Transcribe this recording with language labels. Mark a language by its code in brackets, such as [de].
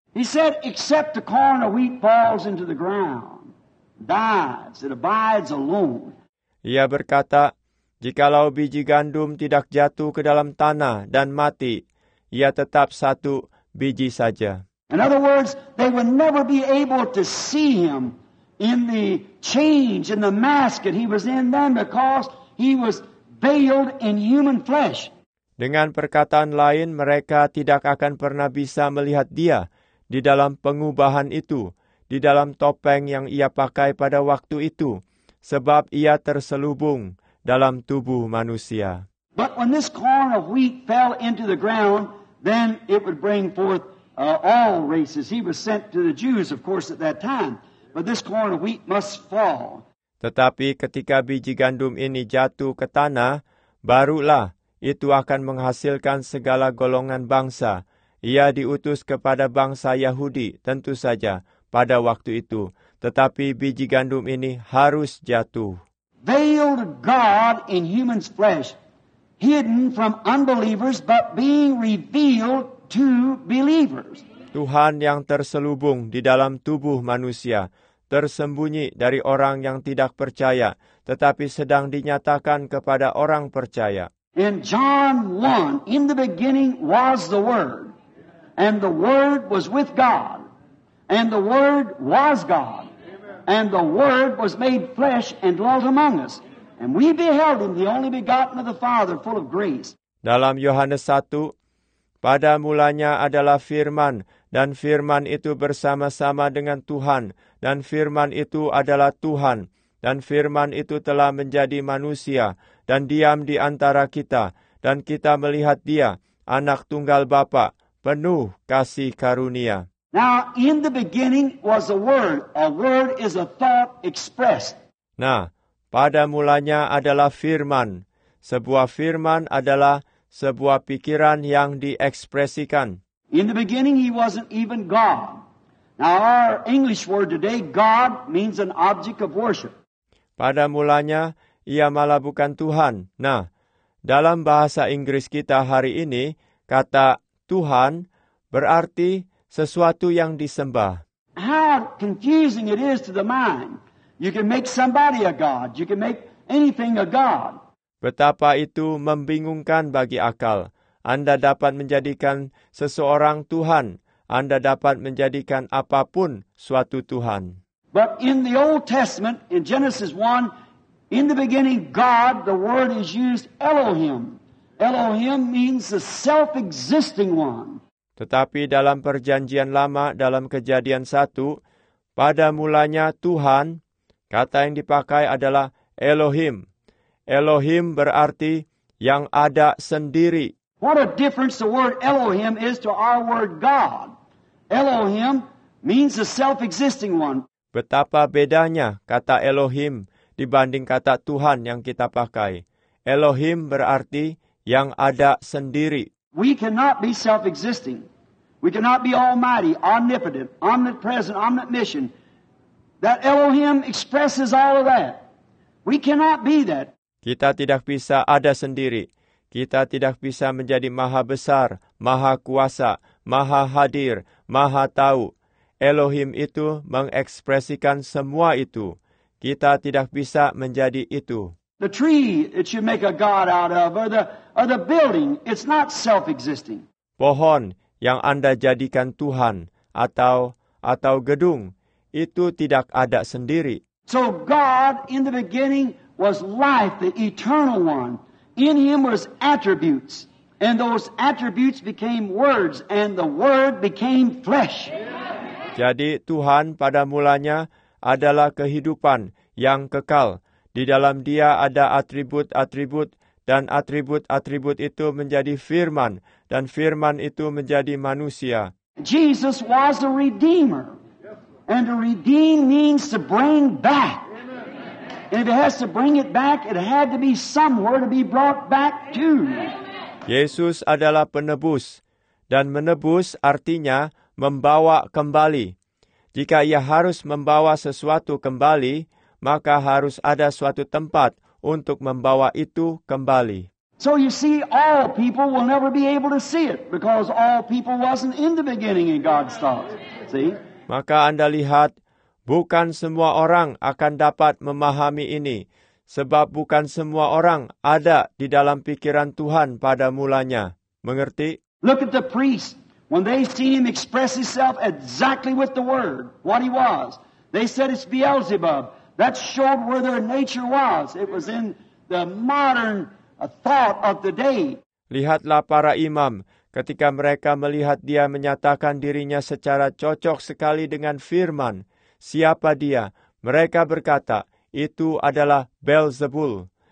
[en] He said, except the corn of wheat falls into the ground, dies, it abides alone. [id] Ia berkata, jikalau biji gandum tidak jatuh ke dalam tanah dan mati, ia tetap satu biji saja. [en] In other words, they would never be able to see him in the change, in the mask that he was in then, because he was veiled in human flesh. [id] Dengan perkataan lain, mereka tidak akan pernah bisa melihat dia di dalam pengubahan itu, di dalam topeng yang ia pakai pada waktu itu, sebab ia terselubung dalam tubuh manusia. [en] But when this corn of wheat fell into the ground, then it would bring forth all races. He was sent to the Jews, of course, at that time. But this corn of wheat must fall. [id] Tetapi ketika biji gandum ini jatuh ke tanah, barulah itu akan menghasilkan segala golongan bangsa. Ia diutus kepada bangsa Yahudi, tentu saja, pada waktu itu. Tetapi biji gandum ini harus jatuh. [en] Veiled God in human flesh, hidden from unbelievers, but being revealed to believers. [id] Tuhan yang terselubung di dalam tubuh manusia, tersembunyi dari orang yang tidak percaya, tetapi sedang dinyatakan kepada orang percaya. [en] In John 1, in the beginning was the Word, and the Word was with God, and the Word was God. And the Word was made flesh and dwelt among us. And we beheld Him, the only begotten of the Father, full of grace. [id] Dalam Yohanes 1, pada mulanya adalah Firman, dan Firman itu bersama-sama dengan Tuhan, dan Firman itu adalah Tuhan, dan Firman itu telah menjadi manusia, dan diam di antara kita, dan kita melihat Dia, Anak Tunggal Bapa, penuh kasih karunia. [en] Now, in the beginning was a word. A word is a thought expressed. [id] Nah, pada mulanya adalah firman. Sebuah firman adalah sebuah pikiran yang diekspresikan. [en] In the beginning, he wasn't even God. Now, our English word today, God, means an object of worship. [id] Pada mulanya, ia malah bukan Tuhan. Nah, dalam bahasa Inggris kita hari ini, kata Tuhan berarti sesuatu yang disembah. [en] How confusing it is to the mind. You can make somebody a god. You can make anything a god. [id] Betapa itu membingungkan bagi akal. Anda dapat menjadikan seseorang Tuhan. Anda dapat menjadikan apapun suatu Tuhan. [en] But in the Old Testament, in Genesis 1, in the beginning, God, the word is used Elohim. Elohim means the self-existing one. [id] Tetapi dalam Perjanjian Lama, dalam Kejadian 1, pada mulanya Tuhan, kata yang dipakai adalah Elohim. Elohim berarti yang ada sendiri. [en] What a difference the word Elohim is to our word God. Elohim means the self-existing one. [id] Betapa bedanya kata Elohim dibanding kata Tuhan yang kita pakai. Elohim berarti yang ada sendiri. [en] We cannot be self-existing. We cannot be almighty, omnipotent, omnipresent, omniscient. That Elohim expresses all of that. We cannot be that. [id] Kita tidak bisa ada sendiri. Kita tidak bisa menjadi maha besar, maha kuasa, maha hadir, maha tahu. Elohim itu mengekspresikan semua itu. Kita tidak bisa menjadi itu. [en] The tree that you make a god out of, or the building, it's not self-existing. [id] Pohon yang Anda jadikan Tuhan atau gedung, itu tidak ada sendiri. [en] So God in the beginning was life, the eternal one. In Him was attributes, and those attributes became words, and the word became flesh. [id] Jadi Tuhan pada mulanya adalah kehidupan yang kekal. Di dalam Dia ada atribut-atribut, dan atribut-atribut itu menjadi firman, dan firman itu menjadi manusia. [en] Jesus was a redeemer, and to redeem means to bring back. And if it has to bring it back, it had to be somewhere to be brought back to. [id] Yesus adalah penebus, dan menebus artinya membawa kembali. Jika ia harus membawa sesuatu kembali, maka harus ada suatu tempat untuk membawa itu kembali. [en] So you see, all people will never be able to see it because all people wasn't in the beginning in God's thought. See? [id] Maka Anda lihat, bukan semua orang akan dapat memahami ini, sebab bukan semua orang ada di dalam pikiran Tuhan pada mulanya. Mengerti? [en] Look at the priest. When they seen him express himself exactly with the word, what he was, they said it's Beelzebub. That showed where their nature was. It was in the modern thought of the day. [id] Lihatlah para imam. Ketika mereka melihat dia menyatakan dirinya secara cocok sekali dengan firman, siapa dia? Mereka berkata, itu adalah Beelzebul.